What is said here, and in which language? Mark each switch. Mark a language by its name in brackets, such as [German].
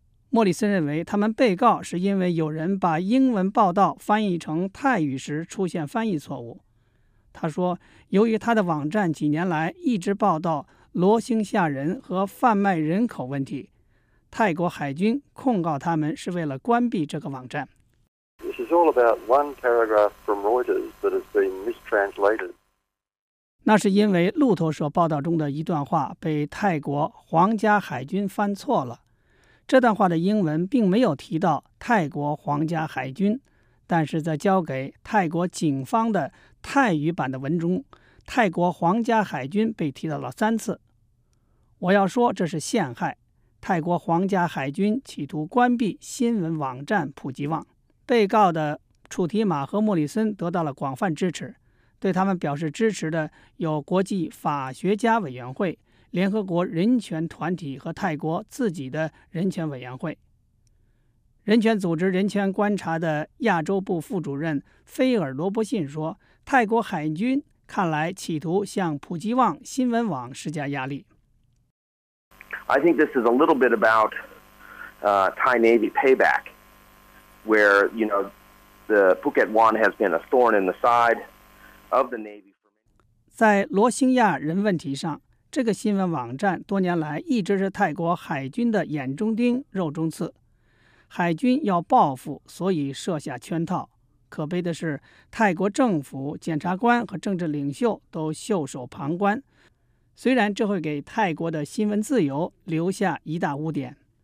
[Chinese] 莫里森认为他们被告是因为有人把英文报道翻译成泰语时出现翻译错误。他说由于他的网站几年来一直报道罗兴亚人和贩卖人口问题，泰国海军控告他们是为了关闭这个网站。 [English] This is all about one paragraph from Reuters that has been mistranslated. [Chinese] 那是因为路透社报道中的一段话被泰国皇家海军翻错了。这段话的英文并没有提到泰国皇家海军，但是在交给泰国警方的泰语版的文中，泰国皇家海军被提到了三次。我要说这是陷害，泰国皇家海军企图关闭新闻网站普及网。被告的楚提马和莫里森得到了广泛支持，对他们表示支持的有国际法学家委员会、联合国人权团体和泰国自己的人权委员会。人权组织人权观察的亚洲部副主任菲尔·罗伯逊说，泰国海军看来企图向普吉旺新闻网施加压力。 [English] I think this is a little bit about Thai Navy payback, where, you know, the Phuket One has been a thorn in the side of the Navy. [Chinese] 在罗兴亚人问题上，这个新闻网站多年来一直是泰国海军的眼中钉、肉中刺，海军要报复，所以设下圈套。可悲的是，泰国政府、检察官和政治领袖都袖手旁观，虽然这会给泰国的新闻自由留下一大污点。